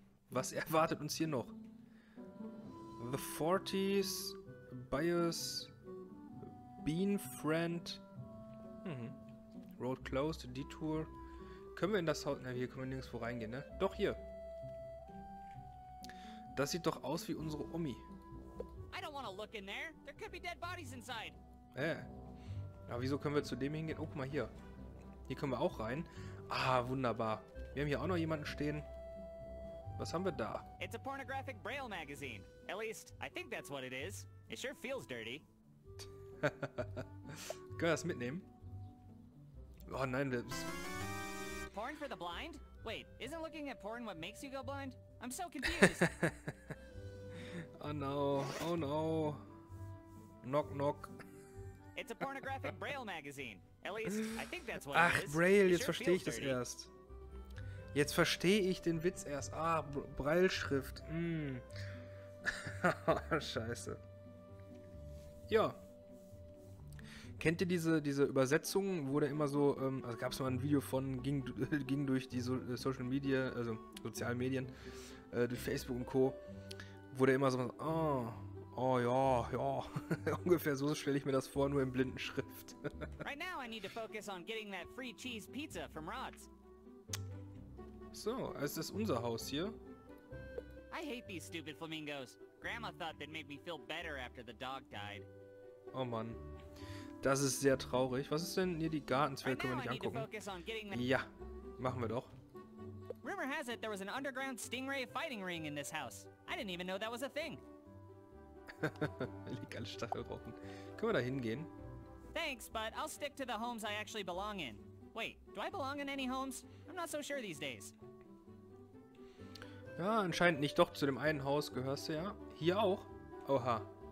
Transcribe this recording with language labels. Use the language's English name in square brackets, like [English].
[German] Was erwartet uns hier noch? [English] The 40s, Bios, Bean Friend. Road closed, Detour. [German] Können wir in das Haus. Na, hier können wir nirgendwo reingehen, ne? Doch hier. Das sieht doch aus wie unsere Omi. [English] I don't wanna look in there. There could be dead bodies inside. [German] Ja, wieso können wir zu dem hingehen? Oh, guck mal hier. Hier können wir auch rein. Ah, wunderbar. Wir haben hier auch noch jemanden stehen. Was haben wir da? [English] It's a pornographic braille magazine. At least, I think that's what it is. It sure feels dirty. [German] Können wir das mitnehmen? Oh nein, das... [English] Porn for the blind? Wait, isn't looking at porn what makes you go blind? I'm so confused. Oh no. Knock, knock. It's a pornographic braille magazine. At least, I think that's what [German] Ach, Braille, jetzt verstehe ich das erst. Jetzt verstehe ich den Witz erst. Ah, Braille-Schrift. Scheiße. Ja. Kennt ihr diese Übersetzungen? Wurde immer so, also gab es mal ein Video von, ging durch die Social Media, also sozialen Medien, durch Facebook und Co. Wurde immer so, Oh ja. Ungefähr so stelle ich mir das vor, nur in blinden Schrift. [English] Right now I need to focus on getting that free cheese pizza from Rod's. [German] So, ist das unser Haus hier? [English] I hate these stupid flamingos. Grandma thought they'd make me feel better after the dog died. [German] Oh Mann. Das ist sehr traurig. Was ist denn hier die Gartenzwerge, können wir nicht angucken? Ja, machen wir doch. [English] Rumor has it there was an underground stingray fighting ring in this house. I didn't even know that was a thing. [German] Legale Stachelrocken. Können wir da hingehen? [English] Thanks, but I'll stick to the homes I actually belong in. Wait, do I belong in any homes? I'm not so sure these days. [German] Ja, anscheinend nicht. Doch, zu dem einen Haus gehörst du ja. Hier auch. Oha.